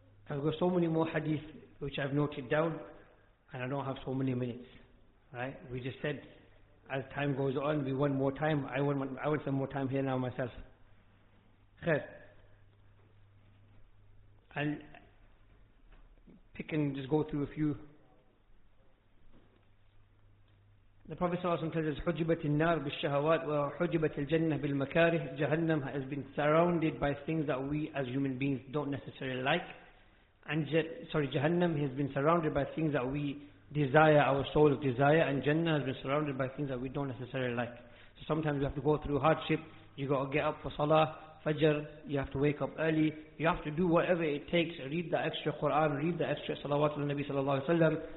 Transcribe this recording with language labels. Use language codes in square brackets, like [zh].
[en] I've got so many more hadith which I've noted down, and I don't have so many minutes. Right? We just said, as time goes on, we want more time. I want some more time here now myself. Khair. I'll pick and just go through a few. The Prophet ﷺ tells us, [ar] حُجِبَتِ النَّارِ بِالشَّهَوَاتِ وَحُجِبَتِ الْجَنَّةِ بِالْمَكَارِهِ. [en] Jahannam has been surrounded by things that we as human beings don't necessarily like. Jahannam has been surrounded by things that we desire, our soul desire, and Jannah has been surrounded by things that we don't necessarily like. So sometimes you have to go through hardship, you got to get up for Salah, Fajr, you have to wake up early, you have to do whatever it takes, read the extra Quran, read the extra Salawat of the Nabi Sallallahu Alaihi Wasallam.